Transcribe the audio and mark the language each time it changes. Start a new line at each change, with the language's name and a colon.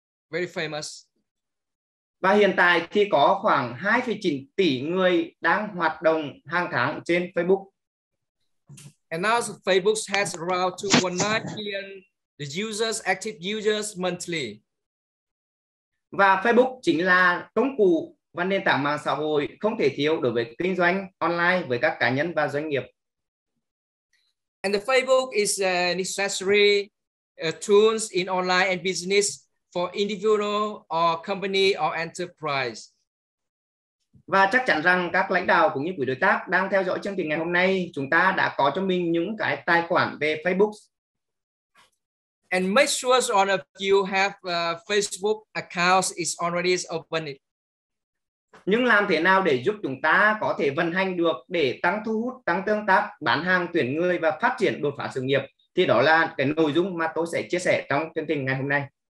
English: Very famous.
Vietnamese: Và hiện tại thì có khoảng 2,9 tỷ người đang hoạt động hàng tháng trên Facebook.
English: And now Facebook has around 2.9 million the users, active users monthly.
Vietnamese: Và Facebook chính là công cụ và nền tảng mạng xã hội không thể thiếu đối với kinh doanh online với các cá nhân và doanh nghiệp.
English: And the Facebook is a necessary tools in online and business for individual or company or enterprise.
Vietnamese: Và chắc chắn rằng các lãnh đạo cũng như quý đối tác đang theo dõi chương trình ngày hôm nay, chúng ta đã có cho mình những cái tài khoản về Facebook.
English: And make sure all of you have a Facebook account is already open.
Vietnamese: Nhưng làm thế nào để giúp chúng ta có thể vận hành được để tăng thu hút, tăng tương tác, bán hàng, tuyển người và phát triển đột phá sự nghiệp? Thì đó là cái nội dung mà tôi sẽ chia sẻ trong chương trình ngày hôm nay.